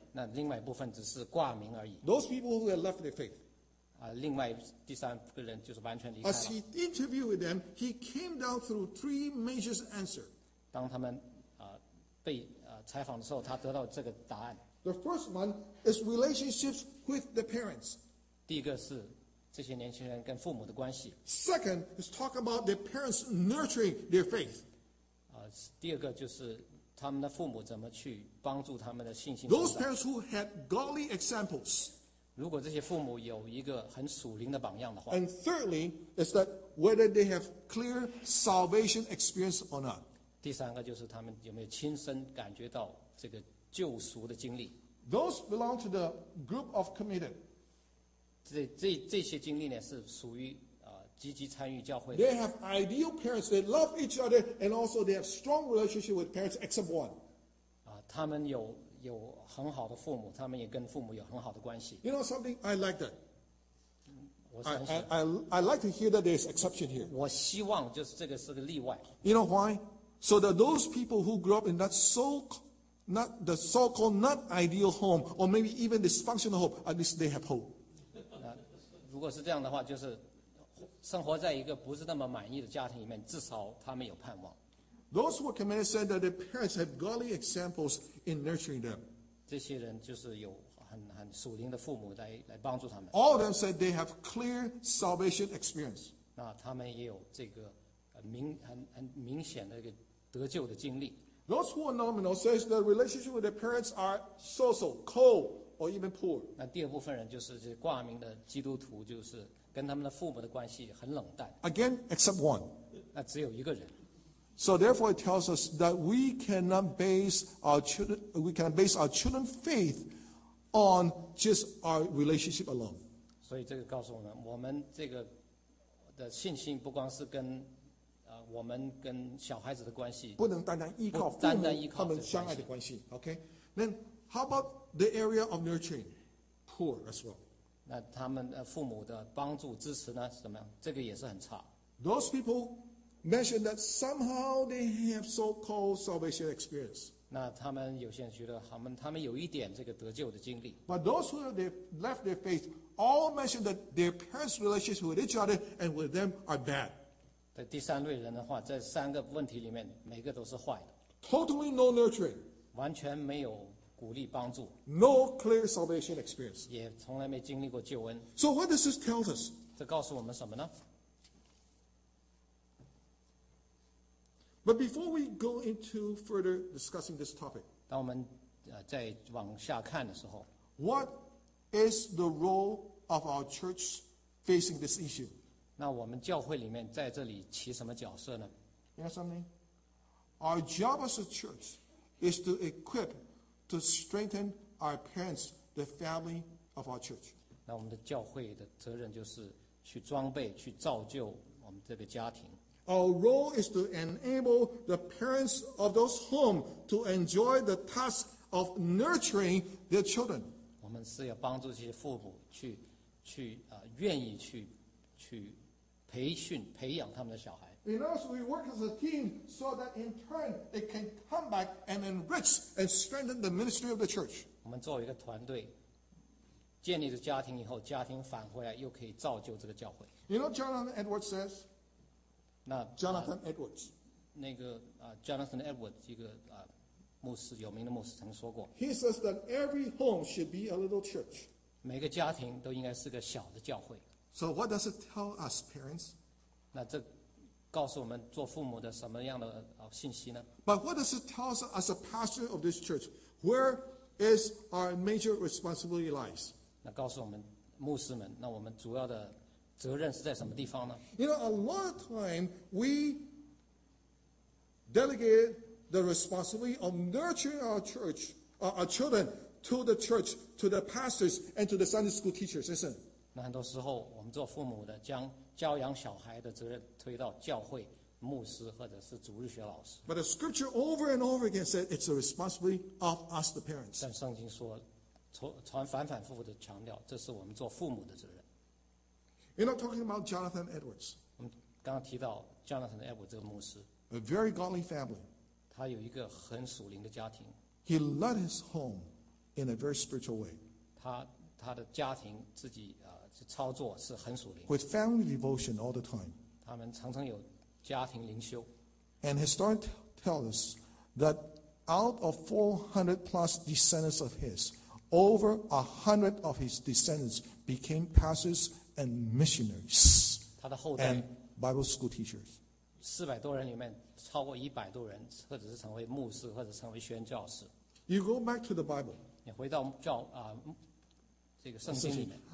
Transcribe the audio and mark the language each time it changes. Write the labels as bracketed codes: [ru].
[zh] 那另外一部分只是挂名而已。 [en] Those people who have left their faith. [zh] 另外第三个人就是完全离开了。 [en] As he interviewed with them, he came down through three major answers. [zh] 当他们被采访的时候，他得到这个答案。 [en] The first one is relationships with the parents. [zh] 第一个是这些年轻人跟父母的关系。 [en] Second is talk about their parents nurturing their faith. [zh] 第二个就是。他们的父母怎么去帮助他们的信心？ [en] Those parents who had godly examples. [zh] 如果这些父母有一个很属灵的榜样的话。 [en] And thirdly, is that whether they have clear salvation experience or not. [zh] 第三个就是他们有没有亲身感觉到这个救赎的经历。 [en] Those belong to the group of committed. [zh] 这些经历呢是属于积极参与教会。 [en] They have ideal parents. They love each other, and also they have strong relationship with parents except one. [zh] 他们有很好的父母，他们也跟父母有很好的关系。 [en] You know something? I like that. [zh] 我 [en] I like to hear that there's exception here. [zh] 我希望就是这个是个例外。 [en] You know why? So that those people who grew up in that so-called not ideal home, or maybe even dysfunctional home, at least they have hope. [zh] 如果是这样的话，就是。生活在一个不是那么满意的家庭里面，至少他们有盼望。 [en] Those who are committed said that their parents had godly examples in nurturing them. [zh] 这些人就是有很属灵的父母来帮助他们。 [en] All of them said they have clear salvation experience. [zh] 那他们也有这个很明显的一个得救的经历。 [en] Those who are nominal says the relationship with their parents are so-so, cold, or even poor. [zh] 那第二部分人就是这挂名的基督徒，就是。跟他们的父母的关系很冷淡。 [en] Again, except one. [zh] 那只有一个人。 [en] So therefore, it tells us that we cannot base our children, we cannot base our children's faith on just our relationship alone. [zh] 所以这个告诉我们，我们这个的信心不光是跟我们跟小孩子的关系，不能单单依靠父母，单单依靠他们相爱的关系。 [en] Okay, then how about the area of nurturing, poor as well? [zh] 那他们父母的帮助支持呢？是怎么样？这个也是很差。 [en] Those people mentioned that somehow they have so-called salvation experience. [zh] 那他们有些人觉得他们有一点这个得救的经历。 [en] But those who have left their faith all mentioned that their parents' relationship with each other and with them are bad. [zh] 在第三类人的话，在三个问题里面，每个都是坏的。 [en] Totally no nurturing， [zh] 完全没有鼓励帮助。 [en] No clear salvation experience， [zh] 也从来没经历过救恩。 [en] So what does this tell us？ [zh] 这告诉我们什么呢 [en] ？But before we go into further discussing this topic， [zh] 当我们再往下看的时候 [en] ，What is the role of our church facing this issue？ [zh] 那我们教会里面在这里起什么角色呢 [en] ？You know something? Our job as a church is to equip, to strengthen our parents, the family of our church. [zh] 那我们的教会的责任就是去装备、去造就我们这个家庭。 [en] Our role is to enable the parents of those home to enjoy the task of nurturing their children. [zh] 我们是要帮助这些父母去愿意去。去培训培养他们的小孩。 [en] In us, we work as a team so that in turn it can come back and enrich and strengthen the ministry of the church. [zh] 我们作为一个团队，建立了家庭以后，家庭返回来又可以造就这个教会。 [en] You know Jonathan Edwards says. [zh] 那 [en] Jonathan Edwards， [zh] 那个Jonathan Edwards 一个牧师有名的牧师曾说过。 [en] He says that every home should be a little church. [zh] 每个家庭都应该是个小的教会。 [en] So what does it tell us, parents? [zh] 那这告诉我们做父母的什么样的信息呢 [en] ？But what does it tell us as a pastor of this church? Where is our major responsibility lies? [zh] 那告诉我们牧师们，那我们主要的责任是在什么地方呢 [en] ？You know, a lot of time we delegate the responsibility of nurturing our church, our children, to the church, to the pastors, and to the Sunday school teachers, isn't it? [zh] 那很多时候。我们做父母的将教养小孩的责任推到教会牧师或者是主日学老师。 [en] But the scripture over and over again said it's the responsibility of us the parents. [zh] 但圣经说，反反复复的强调，这是我们做父母的责任。 [en] You're not talking about Jonathan Edwards. [zh] 我们刚刚提到 Jonathan Edwards 这个牧师。 [en] A very godly family. [zh] 他有一个很属灵的家庭。 [en] He led his home in a very spiritual way. [zh] 他的家庭自己操作是很属灵。 [en] With family devotion all the time. [zh] 他们常常有家庭灵修。 [en] And historians tell us that out of 400 plus descendants of his, over 100 of his descendants became pastors and missionaries. [zh] 他的后代。 [en] And Bible school teachers. [zh] 四百多人里面，超过一百多人，或者是成为牧师，或者成为宣教士。 [en] You go back to the Bible. [zh] 你回到教这个圣经里面。